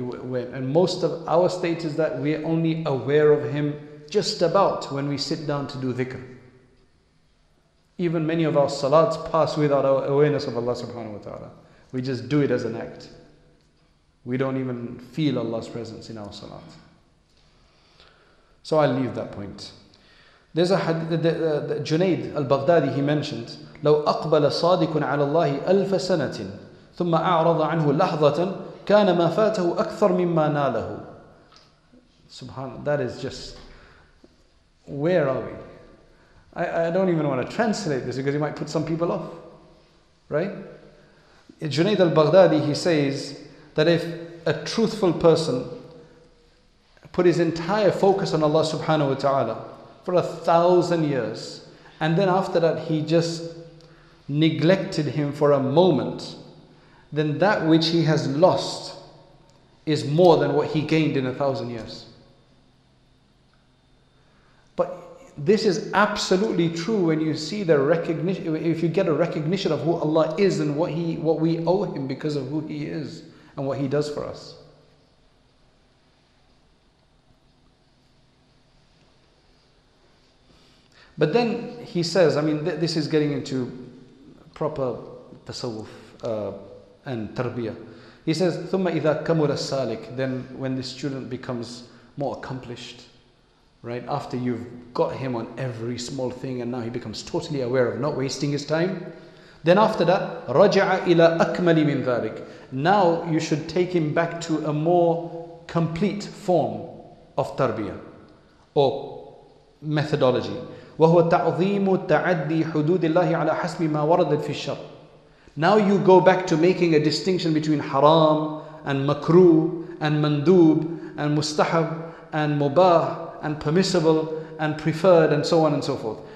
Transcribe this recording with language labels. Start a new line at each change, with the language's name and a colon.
English: And most of our state is that we're only aware of Him just about when we sit down to do dhikr. Even many of our salats pass without our awareness of Allah subhanahu wa ta'ala. We just do it as an act. We don't even feel Allah's presence in our salat. So I'll leave that point. There's a hadith, the Junaid al-Baghdadi, he mentioned,
Arabic: لَوْ أَقْبَلَ صَادِقٌ عَلَى اللَّهِ أَلْفَ سَنَةٍ ثُمَّ أَعْرَضَ عَنْهُ لَحْظَةً كَانَ مَا فَاتَهُ أَكْثَرٌ مِمَّا نَالَهُ.
English: SubhanAllah, that is just, where are we? I don't even want to translate this because it might put some people off. Right? Junaid al-Baghdadi, he says that if a truthful person put his entire focus on Allah subhanahu wa ta'ala for 1,000 years and then after that he just neglected Him for a moment, then that which he has lost is more than what he gained in 1,000 years. But this is absolutely true when you see the recognition, if you get a recognition of who Allah is and what we owe Him because of who He is and what He does for us. But then he says, I mean, this is getting into proper tasawwuf and tarbiyah. He says,
Arabic: ثُمَّ إِذَا كَمُرَ السَّالِكِ.
English: Then when the student becomes more accomplished, right, after you've got him on every small thing and now he becomes totally aware of not wasting his time. Then after that,
Arabic: رَجَعَ إِلَىٰ أَكْمَلِ مِنْ ذَلِكِ.
English: Now you should take him back to a more complete form of tarbiyah or methodology.
Arabic: وَهُوَ تَعْظِيمُ تَعَدِّي حُدُودِ اللَّهِ عَلَىٰ حَسْبِ مَا وَرَدَ فِي الشَّرْ.
English: Now you go back to making a distinction between haram and makruh and mandub and mustahab and mubah and permissible and preferred and so on and so forth.